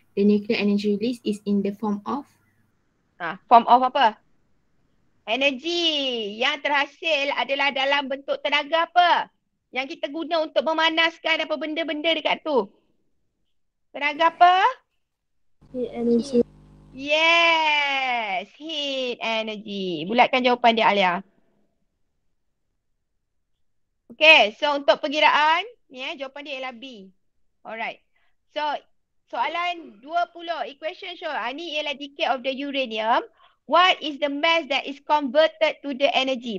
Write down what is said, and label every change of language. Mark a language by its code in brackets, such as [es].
[en] The nuclear energy release is in the form of? [ms] Form of apa? Energy yang terhasil adalah dalam bentuk tenaga apa? Yang kita guna untuk memanaskan apa benda-benda dekat tu. Tenaga apa? [en] Heat energy. Yes, heat energy. [ms] Bulatkan jawapan dia, Alia. Okay, so untuk pengiraan, yeah, jawapan dia ialah B. Alright. [en] So, soalan 20. Equation show, [ms] ini ialah [en] decay of the uranium. What is the mass that is converted to the energy?